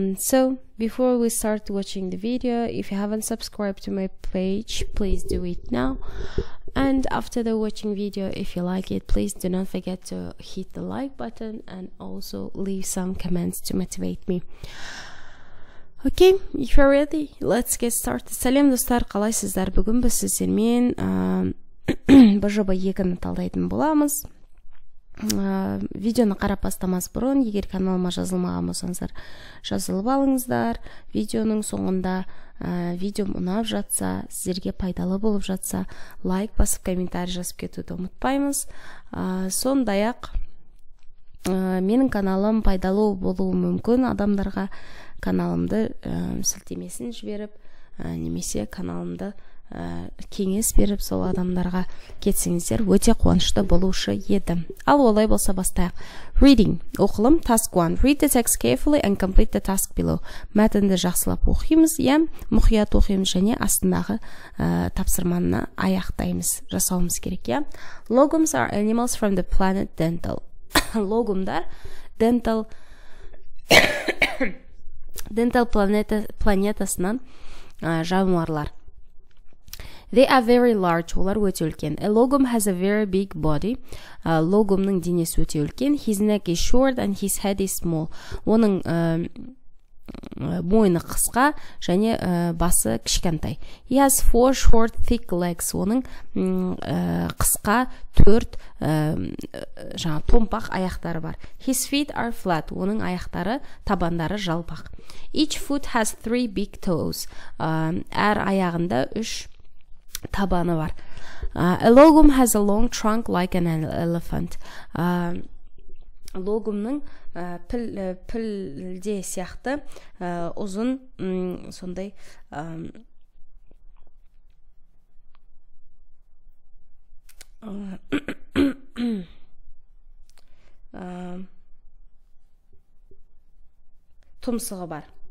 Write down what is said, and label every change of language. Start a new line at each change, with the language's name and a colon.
English: So before we start watching the video, if you haven't subscribed to my page, please do it now. And after the watching video, if you like it, please do not forget to hit the like button and also leave some comments to motivate me. Окей, okay, if you're ready, let's get started.
Kazakh: Сәлем, достар, қалайсыздар? Бүгін біз сіздермен БЖБ2-ні талдайтын боламыз. Видеоны қарап бастамас бұрын, егер каналыма жазылмаған болсаңыздар, жазылып алыңыздар. Видеоның соңында видео ұнап жатса, сіздерге пайдалы болып жатса, лайк басып, комментарий жазып кетуді ұмытпаймыз. Менің каналым пайдалы болуы мүмкін адамдарға каналымды сілтемесін жіберіп, немесе каналымды кеңес беріп, сол адамдарға кетсеңіздер, өте қуанышты болушы еді. Ал олай болса бастайық.
English: Reading.
Kazakh: Оқылым.
English: Task 1. Read the text carefully and complete the task below.
Kazakh: Мәтінді жақсылап оқимыз, мұқият оқимыз және астындағы тапсырманына аяқтаймыз, жасауымыз керек.
English: Logums are animals from the planet Dental.
Kazakh: Логумдар Dental планетасынан жануарлар.
English: They are very large.
Kazakh: Олар өте үлкен.
English: A logum has a very big body.
Kazakh: Логумның денесі өте үлкен.
English: His neck is short and his head is small.
Kazakh: Оның мойны қысқа және басы кішкентай.
English: He has four short thick legs.
Kazakh: Оның қысқа төрт томпақ аяқтары бар.
English: His feet are flat.
Kazakh: Оның аяқтары, табандары жалпақ.
English: Each foot has three big toes.
Kazakh: Әр аяғында үш табаны бар.
English: A logum has a long trunk like an elephant.
Kazakh: Логумның пілде сияқты ұзын сондай тұмсығы бар.